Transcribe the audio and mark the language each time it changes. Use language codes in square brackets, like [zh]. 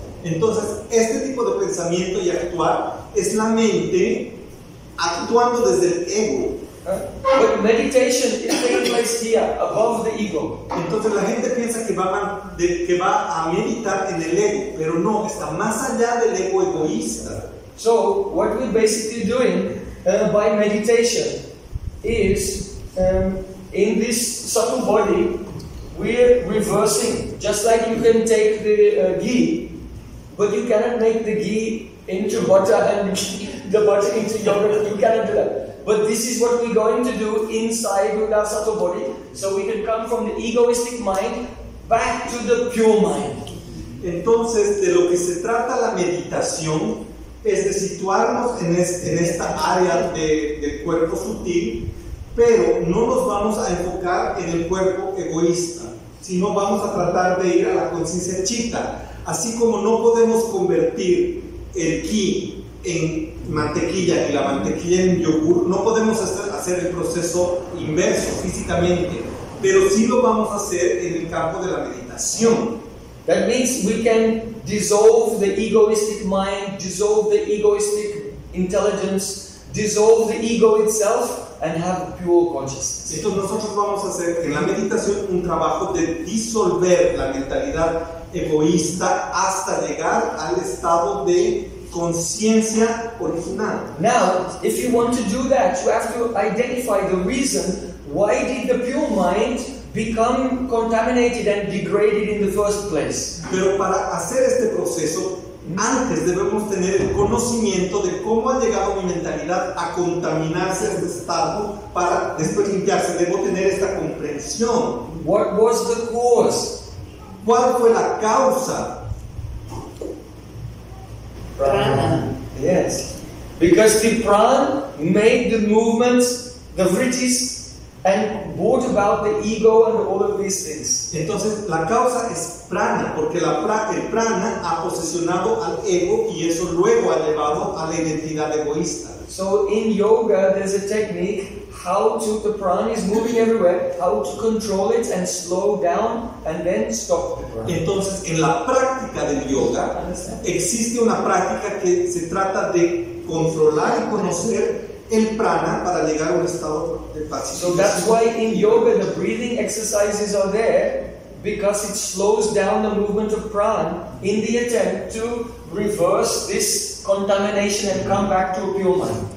[es] Entonces, este tipo de pensamiento y actuar es la mente actuando desde el ego. [en] But meditation is taking place here, above the ego. [es] Entonces la gente piensa que va a meditar en el ego, pero no, está más allá del ego egoísta. [en] So, what we're basically doing by meditation is in this subtle body, we're reversing, just like you can take the ghee, but you cannot make the ghee into butter and the butter into yogurt. You cannot do that. But this is what we're going to do inside with our subtle body, so we can come from the egoistic mind back to the pure mind. [es] Entonces, de lo que se trata la meditación es de situarnos en esta área del cuerpo sutil, pero no nos vamos a enfocar en el cuerpo egoísta, sino vamos a tratar de ir a la conciencia chita. Así como no podemos convertir el ki en mantequilla y la mantequilla en yogur, no podemos hacer el proceso inverso físicamente, pero sí lo vamos a hacer en el campo de la meditación. [en] That means we can dissolve the egoistic mind, dissolve the egoistic intelligence, dissolve the ego itself and have pure consciousness. [es] Entonces nosotros vamos a hacer en la meditación un trabajo de disolver la mentalidad egoísta hasta llegar al estado de conciencia original. [en] Now, if you want to do that, you have to identify the reason why did the pure mind become contaminated and degraded in the first place. [es] Pero para hacer este proceso, antes debemos tener el conocimiento de cómo ha llegado mi mentalidad a contaminarse en este estado para después limpiarse. Debo tener esta comprensión. [en] What was the cause? [es] ¿Cuál fue la causa? [en] Prana. Yes. Because the prana made the movements, the vrittis, and brought about the ego and all of these things. [es] Entonces, la causa es prana, porque el prana ha posesionado al ego y eso luego ha llevado a la identidad egoísta. [en] So, in yoga, there's a technique. How to, the prana is moving everywhere, how to control it and slow down and then stop the prana. [es] Entonces, en la práctica del yoga, existe una práctica que se trata de controlar y conocer el prana para llegar a un estado de paz. [en] So that's why in yoga the breathing exercises are there, because it slows down the movement of prana in the attempt to reverse this contamination and come back to a pure mind.